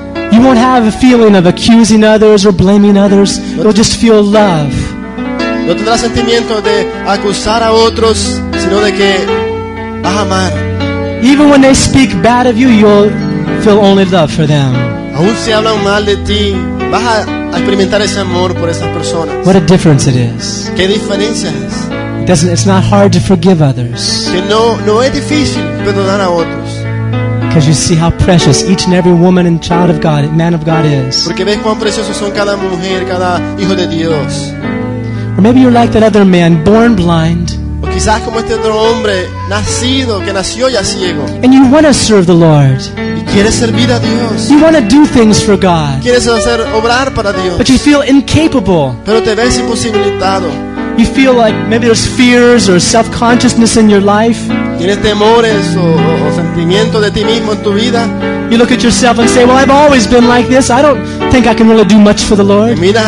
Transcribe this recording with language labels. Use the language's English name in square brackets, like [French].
[English] You won't have a feeling of accusing others or blaming others. You'll just feel love. [Spanish] No tendrás sentimiento de acusar a otros, sino de que vas a amar. [English] Even when they speak bad of you, you'll feel only love for them. [Spanish] Aún si hablan mal de ti, vas a experimentar ese amor por esas personas. [English] What a difference it is. [Spanish] ¿Qué diferencia es? [English] It's not hard to forgive others. [Spanish] Que no es difícil perdonar a otros. [English] Because you see how precious each and every woman and child of God, man of God is. [Spanish] Porque ves cuán preciosos son cada mujer, cada hijo de Dios. [English] Or maybe you're like that other man, born blind. [Spanish] O quizás como este otro hombre, nacido, que nació ya ciego. [English] And you want to serve the Lord. [Spanish] Y quieres servir a Dios. [English] You want to do things for God. [Spanish] Quieres hacer obrar para Dios. [English] But you feel incapable. [Spanish] Pero te ves imposibilitado. [English] You feel like maybe there's fears or self-consciousness in your life. [Spanish] Tienes temores o sentimientos de ti mismo en tu vida. [English] You look at yourself and say, well, I've always been like this. I don't think I can really do much for the Lord.